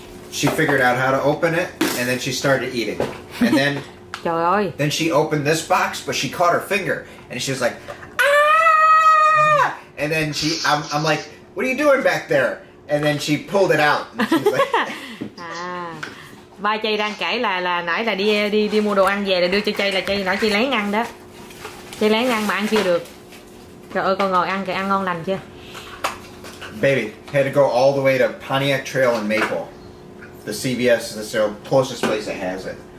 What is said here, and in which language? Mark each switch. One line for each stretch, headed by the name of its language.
English: She figured out how to open it and then she started eating. And then
Vietnamese: trời ơi.
English: Then she opened this box but she caught her finger and she was like ah! And then she I'm like, "What are you doing back there?" And then she pulled it out. And she's like,
Vietnamese: ba Jay đang kể là nãy là đi mua đồ ăn về là đưa cho Jay là Jay nãy Jay lén ăn đó. Jay lén ăn mà ăn chưa được. Trời ơi, con ngồi ăn kìa, ăn ngon lành chưa?
English: Baby, had to go all the way to Pontiac Trail in Maple. The CVS is the closest place that has it.